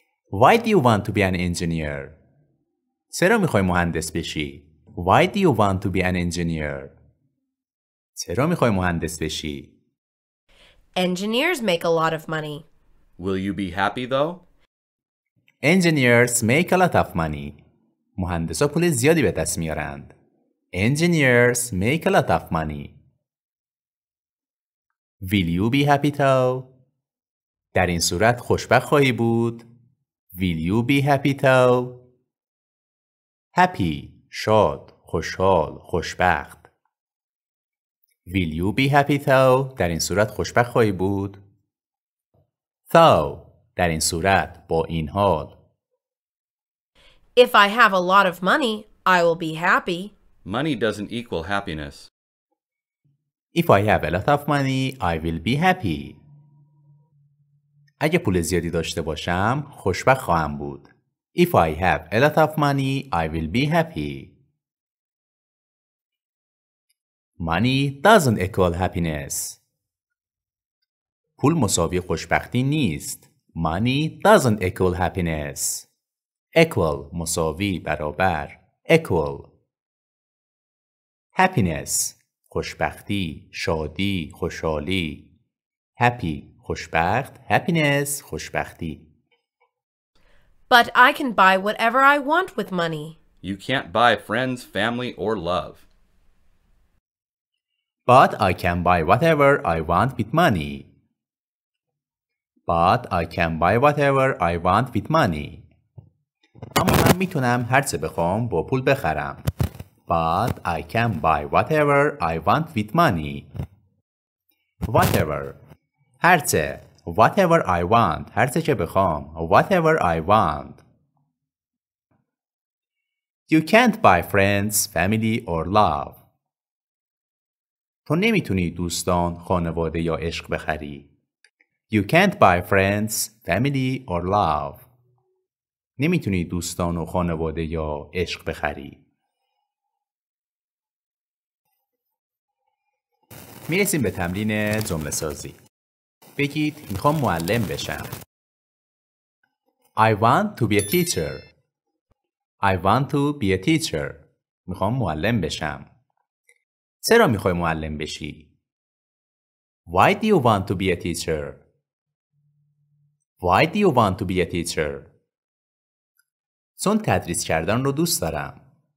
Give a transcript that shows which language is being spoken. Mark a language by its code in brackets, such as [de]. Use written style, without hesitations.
[en] Why do you want to be an engineer? [fa] چرا میخوای مهندس بشی؟ [en] Why do you want to be an engineer? [fa] چرا میخوای مهندس بشی؟ [en] Engineers make a lot of money. Will you be happy though? Engineers make a lot of money. [fa] مهندسا پول زیادی به دست میارند. [en] Engineers make a lot of money. Will you be happy though? [fa] در این صورت خوشبخت خواهی بود. [en] Will you be happy though? [fa] Happy, شاد، خوشحال، خوشبخت. [en] Will you be happy though? [fa] در این صورت خوشبخت خواهی بود. Though, در این صورت، با این حال. [en] If I have a lot of money, I will be happy. Money doesn't equal happiness. If I have a lot of money, I will be happy. [fa] اگه پول زیادی داشته باشم، خوشبخت خواهم بود. [en] If I have a lot of money, I will be happy. Money doesn't equal happiness. [fa] پول مساوی خوشبختی نیست. [en] Money doesn't equal happiness. [fa] Equal مساوی برابر. [en] Equal. [fa] Happiness خوشبختی، شادی، خوشحالی. Happy خوشبخت، happiness خوشبختی. [en] But I can buy whatever I want with money. You can't buy friends, family or love. But I can buy whatever I want with money. But I can buy whatever I want with money. [fa] اما من میتونم هر چه بخوام با پول بخرم. [en] But I can buy whatever I want with money. Whatever. [fa] هر چه. [en] Whatever I want. [fa] هر چه که بخوام. [en] Whatever I want. You can't buy friends, family or love. [fa] تو نمیتونی دوستان، خانواده یا عشق بخری. [en] You can't buy friends, family or love. [fa] نمیتونی دوستان و خانواده یا عشق بخری. میرسیم به تمرین جمله سازی. بگید میخوام معلم بشم. [en] I want to be a teacher. I want to be a teacher. [fa] میخوام معلم بشم. چرا میخوای معلم بشی؟ [en] Why do you want to be a teacher? Why do you want to be a teacher? [fa] چون تدریس کردن رو دوست دارم.